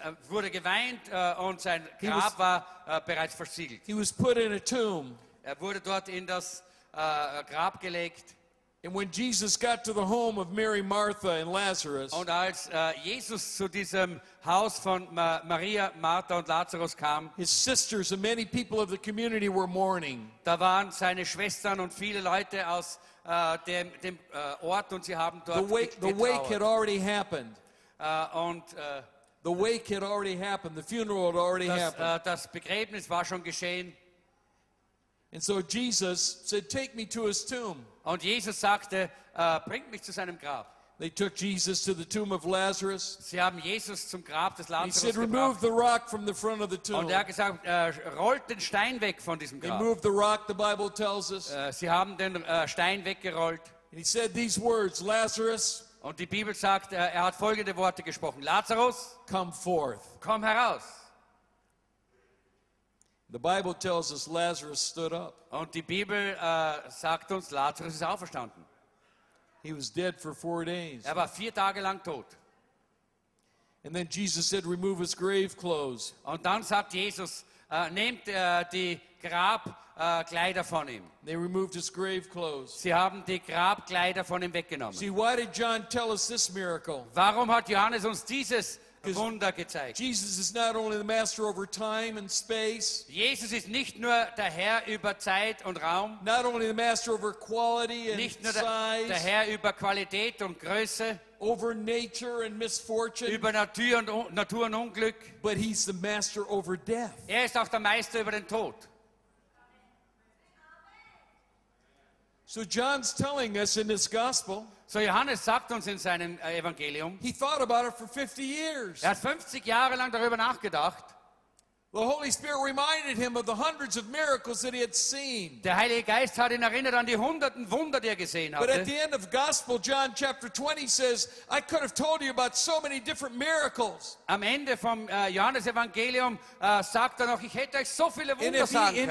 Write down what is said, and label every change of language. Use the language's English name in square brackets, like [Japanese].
[German] Wurde geweint und sein Grab war bereits versiegelt. [English] He was put in a tomb. [German] Wurde dort in das Grab gelegt. [English] And when Jesus got to the home of Mary, Martha and Lazarus. [German] Und als Jesus zu diesem Haus von Maria, Martha und Lazarus kam, [English] his sisters and many people of the community were mourning. [German] Da waren seine Schwestern und viele Leute aus dem Ort und sie haben dort [English] the wake had already happened. The wake had already happened. The funeral had already happened. [German] Das Begräbnis war schon geschehen. [English] And so Jesus said, "Take me to his tomb." [German] Und Jesus sagte, bringt mich zu seinem Grab. [English] They took Jesus to the tomb of Lazarus. [German] Sie haben Jesus zum Grab des Lazarus gebracht. [English] He said, "Remove the rock from the front of the tomb." [German] Und gesagt, rollt den Stein weg von diesem Grab. [English] They moved the rock. The Bible tells us. [German] Sie haben den Stein weggerollt. [English] And he said these words, Lazarus. [German] Und die Bibel sagt, hat folgende Worte gesprochen: Lazarus, [English] come forth. [German] Komm heraus. [English] The Bible tells us Lazarus stood up. [German] Und die Bibel sagt uns, Lazarus ist auferstanden. [English] He was dead for 4 days. [German] Er war 4 Tage lang tot. [English] And then Jesus said, remove his grave clothes. [German] Und dann sagt Jesus, nehmt die Grabkleider von ihm. [English] They removed his grave clothes. [German] Sie haben die Grabkleider von ihm weggenommen. [English] See, why did John tell us this miracle? [German] Warum hat Johannes uns dieses Wunder gezeigt. [English] Jesus is not only the master over time and space. [German] Jesus ist nicht nur der Herr über Zeit und Raum. [English] Not only the master over quality and [German] nicht nur der, [English] size. [German] Der Herr über Qualität und Größe. [English] Over nature and misfortune. [German] Über Natur und Unglück. [English] But he's the master over death. [German] Er ist auch der Meister über den Tod. [English] So John's telling us in this gospel. [German] So Johannes sagt uns in seinem Evangelium. [English] He thought about it for 50 years. [German] Er hat 50 Jahre lang darüber nachgedacht. [English] The Holy Spirit reminded him of the hundreds of miracles that he had seen. [German] Der Heilige Geist hat ihn erinnert an die hunderten Wunder, die er gesehen hatte. [English] But at the end of Gospel John chapter 20 says, I could have told you about so many different miracles. [German] Am Ende vom Johannes Evangelium sagt er noch, ich hätte euch so viele Wunder sagen können.